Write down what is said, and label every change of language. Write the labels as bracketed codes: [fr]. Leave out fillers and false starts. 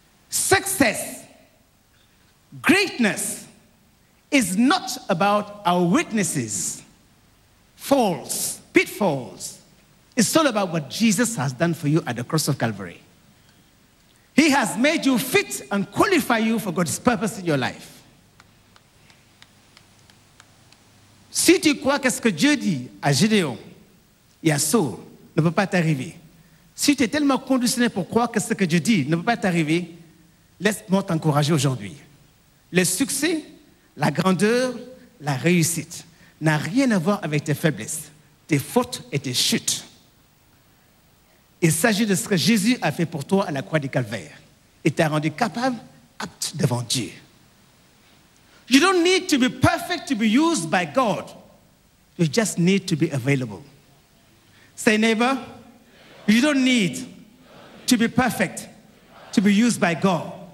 [en] Success, greatness, is not about our weaknesses, faults, pitfalls. It's all about what Jesus has done for you at the cross of Calvary. He has made you fit and qualify you for God's purpose in your life. [fr] Si tu crois que ce que Dieu dit à Gédéon et à Saul ne peut pas t'arriver, si tu es tellement conditionné pour croire que ce que Dieu dit ne peut pas t'arriver, laisse-moi t'encourager aujourd'hui. Le succès, la grandeur, la réussite n'a rien à voir avec tes faiblesses, tes fautes et tes chutes. Il s'agit de ce que Jésus a fait pour toi à la croix du calvaire. Il t'a rendu capable, apte devant Dieu. [en] You don't need to be perfect to be used by God. You just need to be available. Say, neighbor, you don't need to be perfect to be used by God.